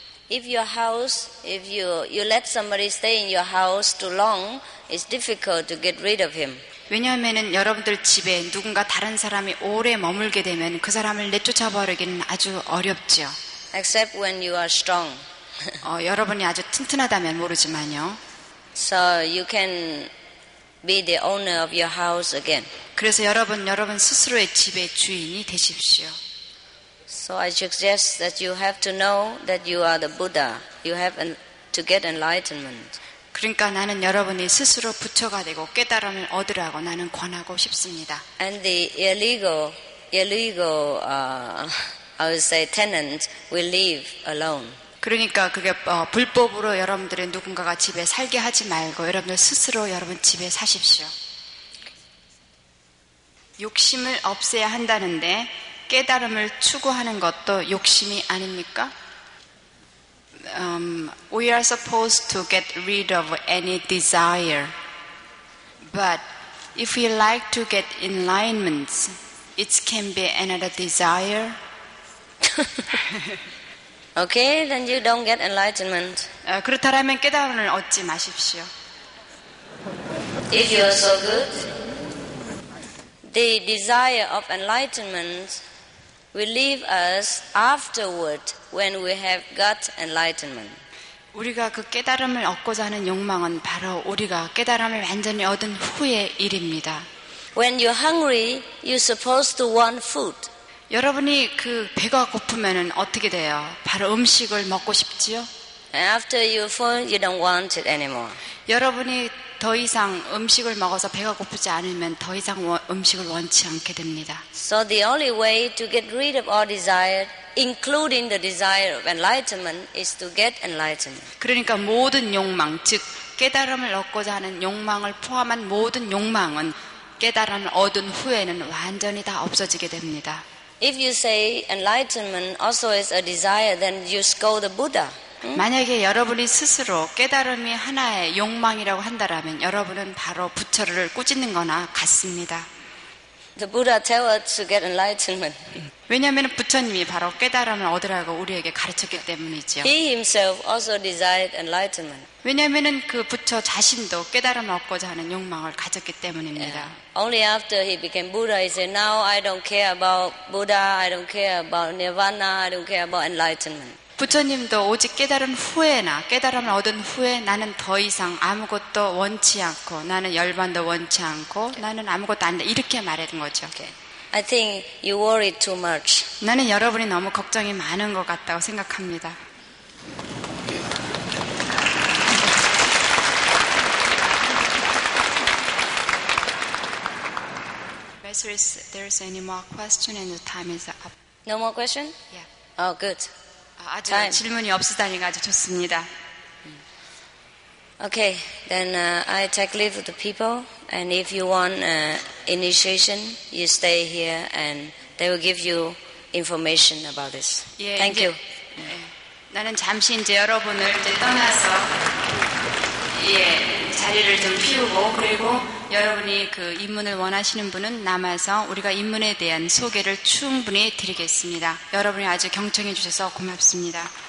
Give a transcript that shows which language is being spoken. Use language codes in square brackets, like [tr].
[en] If your house, if you let somebody stay in your house too long, it's difficult to get rid of him. [ko] 왜냐하면은 여러분들 집에 누군가 다른 사람이 오래 머물게 되면 그 사람을 내쫓아 버리기는 아주 어렵죠. [en] Except when you are strong. [ko] 여러분이 아주 튼튼하다면 모르지만요. [en] So you can be the owner of your house again. [ko] 그래서 여러분 스스로의 집의 주인이 되십시오. [en] So I suggest that you have to know that you are the Buddha. You have to get enlightenment. [ko] 그러니까 나는 여러분이 스스로 부처가 되고 깨달음을 얻으라고 나는 권하고 싶습니다. [en] And the illegal tenant will live alone. [ko] 그러니까 그게 불법으로 여러분들의 누군가가 집에 살게 하지 말고 여러분들 스스로 여러분 집에 사십시오. 욕심을 없애야 한다는데 깨달음을 추구하는 것도 욕심이 아닙니까? [en] We are supposed to get rid of any desire. But if we like to get enlightenment, it can be another desire. Okay, then you don't get enlightenment. [ko] 그렇다면 깨달음을 얻지 마십시오. [en] If you are so good, the desire of enlightenment will leave us afterward when we have got enlightenment. [ko] 우리가 그 깨달음을 얻고자 하는 욕망은 바로 우리가 깨달음을 완전히 얻은 후의 일입니다. [en] When you're hungry, you're supposed to want food. [ko] 여러분이 그 배가 고프면은 어떻게 돼요? 바로 음식을 먹고 싶지요? [en] After you're full, you don't want it anymore. [ko] 여러분이 더 이상 음식을 먹어서 배가 고프지 않으면 더 이상 음식을 원치 않게 됩니다. [en] So the only way to get rid of all desire, including the desire of enlightenment, is to get enlightened. [ko] 그러니까 모든 욕망, 즉 깨달음을 얻고자 하는 욕망을 포함한 모든 욕망은 깨달음을 얻은 후에는 완전히 다 없어지게 됩니다. [en] If you say enlightenment also is a desire, then you scold the Buddha. [ko] 만약에 여러분이 스스로 깨달음이 하나의 욕망이라고 한다면 여러분은 바로 부처를 꾸짖는 거나 같습니다. [en] The Buddha tells us to get enlightenment. [ko] 왜냐하면 부처님이 바로 깨달음을 얻으라고 우리에게 가르쳤기 때문이죠. [en] He himself also desired enlightenment. [ko] 왜냐하면 그 부처 자신도 깨달음을 얻고자 하는 욕망을 가졌기 때문입니다. [en] Yeah. Only after he became Buddha, he said, "Now I don't care about Buddha. I don't care about Nirvana. I don't care about enlightenment." [ko] 부처님도 오직 깨달은 후에나 깨달음을 얻은 후에 나는 더 이상 아무것도 원치 않고 나는 열반도 원치 않고 나는 아무것도 안 돼 이렇게 말했던 거죠. [en] Okay. I think you worry too much. [ko] 나는 여러분이 너무 걱정이 많은 것 같다고 생각합니다. [en] There is any more question and the time is up. No more question? Yeah. Oh, good. [ko] 아주 [en] Time. [ko] 질문이 없으다니 아주 좋습니다. [en] Okay, then I take leave of the people, and if you want initiation, you stay here, and they will give you information about this. [ko] 예, [en] Thank [ko] 이제, [en] you. [ko] 나는 잠시 이제 여러분을 이제 떠나서 예 자리를 좀 피우고 그리고 여러분이 그 입문을 원하시는 분은 남아서 우리가 입문에 대한 소개를 충분히 드리겠습니다. 여러분이 아주 경청해 주셔서 고맙습니다.